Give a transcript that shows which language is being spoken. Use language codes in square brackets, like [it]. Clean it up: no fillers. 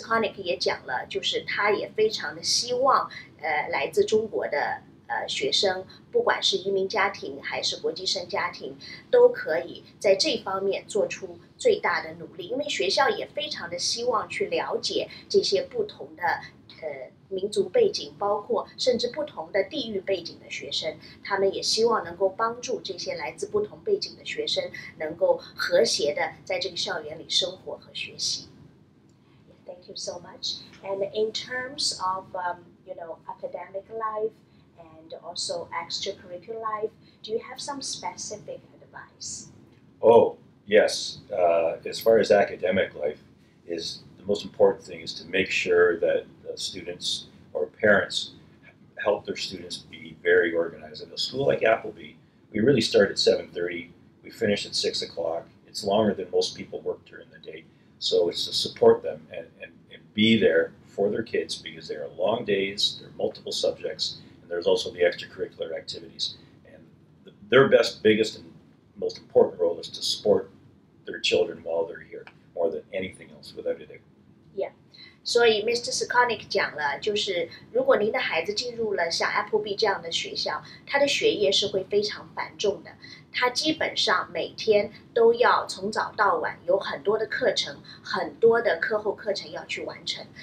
[zh] Sikonik 也讲了，就是他也非常的希望，来自中国的学生，不管是移民家庭还是国际生家庭，都可以在这方面做出最大的努力，因为学校也非常的希望去了解这些不同的民族背景，包括甚至不同的地域背景的学生，他们也希望能够帮助这些来自不同背景的学生能够和谐的在这个校园里生活和学习。 [en] Thank you so much. And in terms of, you know, academic life and also extracurricular life, do you have some specific advice? Oh, yes. As far as academic life, is the most important thing is to make sure that the students or parents help their students be very organized. At a school like Appleby, we really start at 7:30. We finish at 6 o'clock. It's longer than most people work during the day. So it's to support them and be there for their kids because they are long days, there are multiple subjects, and there's also the extracurricular activities. And their best, biggest, and most important role is to support their children while they're here more than anything else, without a doubt. [zh] Yeah. 所以 Mr. Sikonic 讲了，就是如果您的孩子进入了像 Appleby 这样的学校，他的学业是会非常繁重的。他基本上每天都要从早到晚有很多的课程，很多的课后课程要去完成。